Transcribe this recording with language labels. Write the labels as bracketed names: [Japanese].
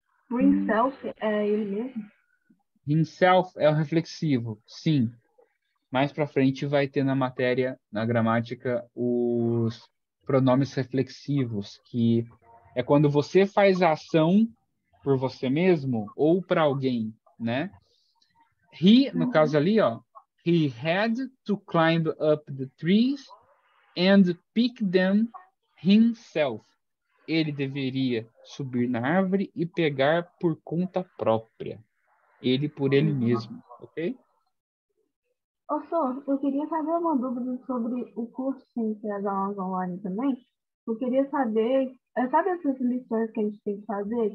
[Portuguese] Himself é ele mesmo? Himself é o reflexivo, sim. Mais para frente vai ter na matéria, na gramática, os pronomes reflexivos, que é quando você faz a ação... por você mesmo ou para alguém, né? [English] He, [Portuguese] no caso ali, ó, [English] he had to climb up the trees and pick them himself. [Portuguese] ele deveria subir na árvore e pegar por conta própria. Ele por ele mesmo, ok? Ô, senhor, eu queria fazer uma dúvida sobre o curso que a gente tem aulas online também. Eu queria saber, sabe essas lições que a gente tem que fazer?